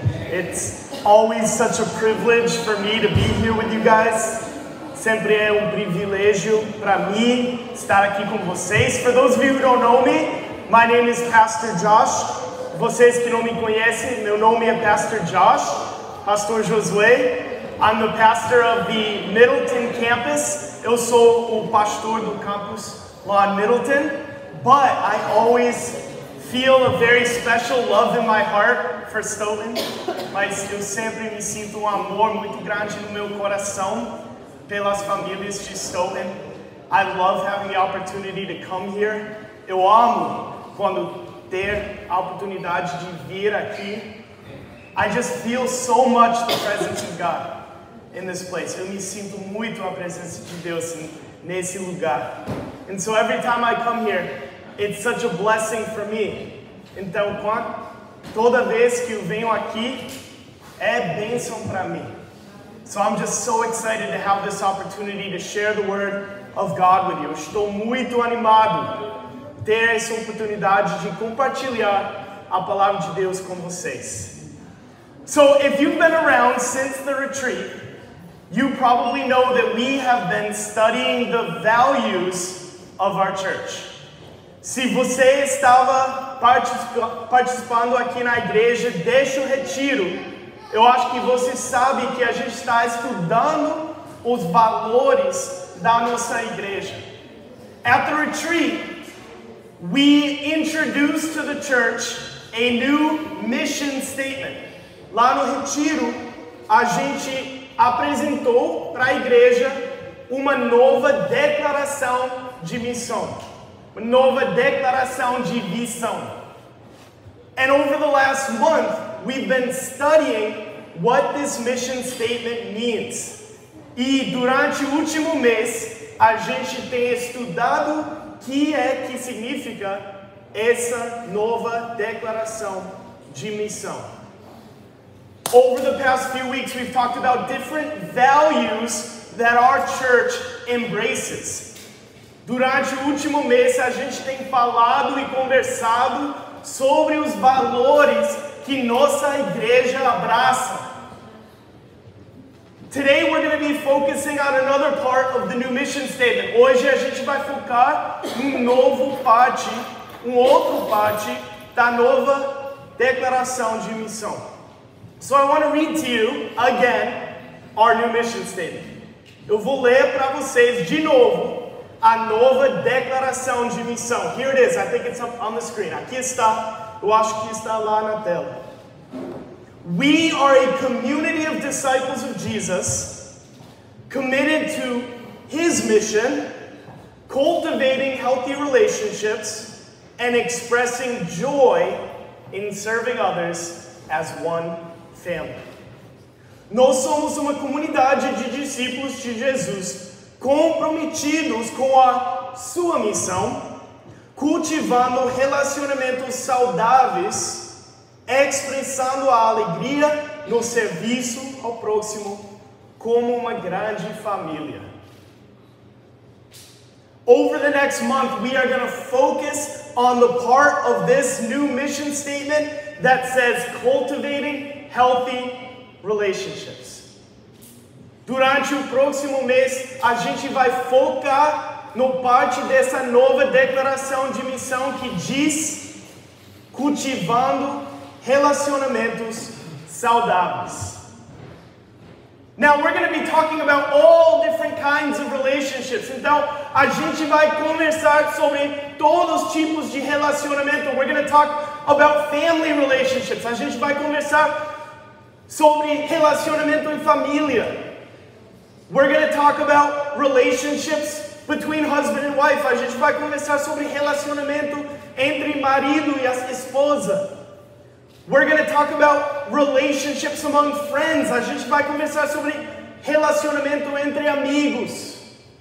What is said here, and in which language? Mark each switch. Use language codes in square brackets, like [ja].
[en] It's always such a privilege for me to be here with you guys. [pt] Sempre é um privilégio para mim estar aqui com vocês. [en] For those of you who don't know me, my name is Pastor Josh. [pt] Vocês que não me conhecem, meu nome é Pastor Josh, Pastor Josué. [en] I'm the pastor of the Middleton campus. [pt] Eu sou o pastor do campus lá em Middleton. [en] But I always feel a very special love in my heart for Stoughton. [pt] Mas eu sempre me sinto amor muito grande no meu coração pelas famílias de Stoughton. [en] I love having the opportunity to come here. [pt] Eu amo quando ter a oportunidade de vir aqui. [en] I just feel so much the presence of God in this place. [pt] Eu me sinto muito a presença de Deus nesse lugar. [en] And so every time I come here, it's such a blessing for me. [pt] Então, toda vez que eu venho aqui, é bênção para mim. [en] So I'm just so excited to have this opportunity to share the word of God with you. [pt] Estou muito animado ter essa oportunidade de compartilhar a palavra de Deus com vocês. [en] So if you've been around since the retreat, you probably know that we have been studying the values of our church. [pt] Se você estava participando aqui na igreja, deixa o retiro. Eu acho que você sabe que a gente está estudando os valores da nossa igreja. [en] At the retreat, we introduced to the church a new mission statement. [pt] Lá no retiro, a gente apresentou para a igreja uma nova declaração de missão. Nova declaração de visão. [en] And over the last month, we've been studying what this mission statement means. [pt] E durante o último mês, a gente tem estudado o que é que significa essa nova declaração de missão. [en] Over the past few weeks, we've talked about different values that our church embraces. [pt] Durante o último mês, a gente tem falado e conversado sobre os valores que nossa igreja abraça. [en] Today we're going to be focusing on another part of the new mission statement. [pt] Hoje a gente vai focar em outra parte da nova declaração de missão. [en] So I want to read to you again our new mission statement. [pt] Eu vou ler para vocês de novo a nova declaração de missão. [en] Here it is. I think it's up on the screen. [pt] Aqui está. Eu acho que está lá na tela. [en] We are a community of disciples of Jesus, committed to His mission, cultivating healthy relationships, and expressing joy in serving others as one family. [pt] Nós somos uma comunidade de discípulos de Jesus, comprometidos com a sua missão, cultivando relacionamentos saudáveis, expressando a alegria no serviço ao próximo como uma grande família. [en] Over the next month, we are going to focus on the part of this new mission statement that says cultivating healthy relationships. [pt] Durante o próximo mês, a gente vai focar no parte dessa nova declaração de missão que diz cultivando relacionamentos saudáveis. [en] Now, we're going to be talking about all different kinds of relationships. [pt] Então, a gente vai conversar sobre todos os tipos de relacionamento. [en] We're going to talk about family relationships. [pt] A gente vai conversar sobre relacionamento em família. [en] We're going to talk about relationships between husband and wife. [pt] A gente vai conversar sobre relacionamento entre marido e esposa. [en] We're going to talk about relationships among friends. [pt] A gente vai conversar sobre relacionamento entre amigos.